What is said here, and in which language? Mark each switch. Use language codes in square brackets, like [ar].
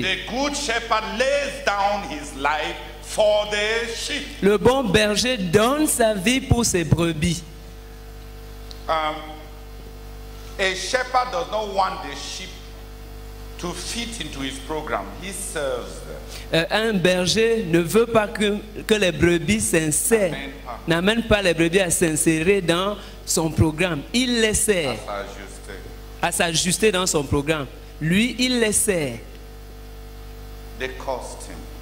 [en] The good shepherd lays down his life for the sheep. [fr] Le bon berger donne sa vie pour ses brebis. [en] A shepherd does not want the sheep to fit into his program. He serves them. [fr] Un berger ne veut pas que les brebis s'insèrent, n'amène pas les brebis à s'insérer dans son programme. Il les sert. À s'ajuster dans son programme. Lui, il les sert. [en] They cost him.